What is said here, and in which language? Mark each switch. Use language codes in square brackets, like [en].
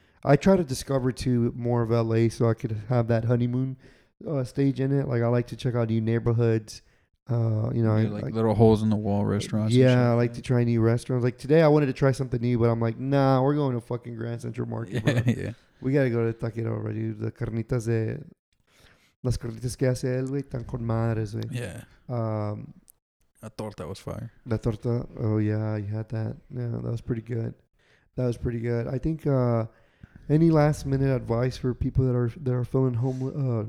[en] I try to discover to more of L.A. so I could have that honeymoon stage in it. Like, I like to check out new neighborhoods, you know. Yeah, like little holes in the wall restaurants. Yeah, I like to try new restaurants. Like today I wanted to try something new, but I'm like, nah, we're going to fucking Grand Central Market. Yeah, bro. Yeah. We gotta go to Taquero already. [es] The carnitas de las carnitas que hace el güey tan con madres, güey. [en] Yeah. La torta was fire. La torta. Oh yeah, you had that. Yeah, that was pretty good. That was pretty good. I think any last minute advice for people that are feeling homeless?